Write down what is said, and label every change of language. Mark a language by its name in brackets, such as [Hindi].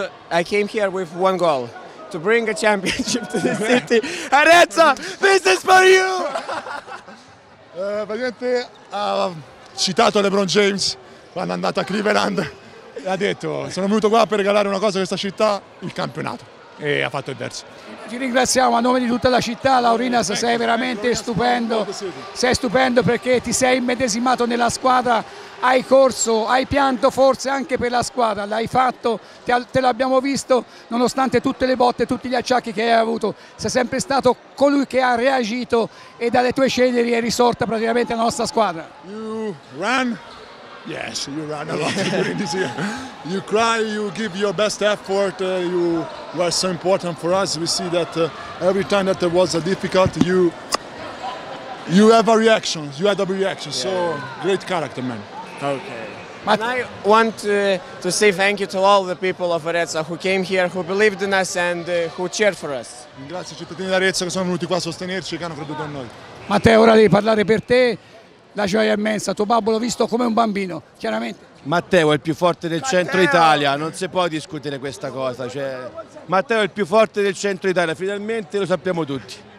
[English] I came here with one goal, to bring a championship to the city. Arezzo, this is for you. [Italian] Praticamente ha citato LeBron James quando è andato a Cleveland e ha detto: sono venuto qua per regalare una cosa a questa città, il campionato, e ha fatto il verso. Ci ringraziamo a nome di tutta la città, Laurinas, sei veramente stupendo, sei stupendo perché ti sei immedesimato nella squadra, hai corso, hai pianto forse anche per la squadra, l'hai fatto, te l'abbiamo visto, nonostante tutte le botte, tutti gli acciacchi che hai avuto, sei sempre stato colui che ha reagito e dalle tue ceneri è risorta praticamente la nostra squadra. [English] You run? Yes, you run a lot during this year. You cry, you give your best effort, you were so important for us. We see that every time that there was a difficult, you had a reaction. Yeah. So, great character, man. Okay. But I want to say thank you to all the people of Arezzo who came here, who believed in us and who cheered for us. [Italian] Grazie ai cittadini di Arezzo che sono venuti qua a sostenerci e che hanno creduto in noi. Matteo, ora devi parlare per te. La gioia è immensa, tuo babbo l'ho visto come un bambino, chiaramente. Matteo è il più forte del centro Italia, non si può discutere questa cosa. Cioè, Matteo è il più forte del centro Italia, finalmente lo sappiamo tutti.